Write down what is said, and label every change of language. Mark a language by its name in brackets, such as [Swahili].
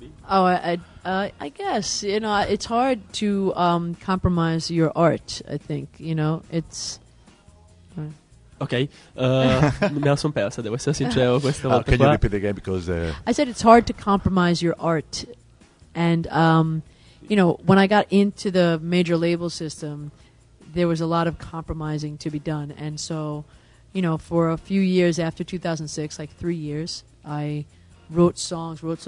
[English] Oh, I guess, you know, it's hard to compromise your art, I think, you know, it's... [Italian] Ok, me la sono persa, devo essere sincero questa volta. [English] Can you repeat again? Because I said it's hard to compromise your art, and you know, when I got into the major label system, there was a lot of compromising to be done, and so, you know, for a few years after 2006, like 3 years, I wrote songs,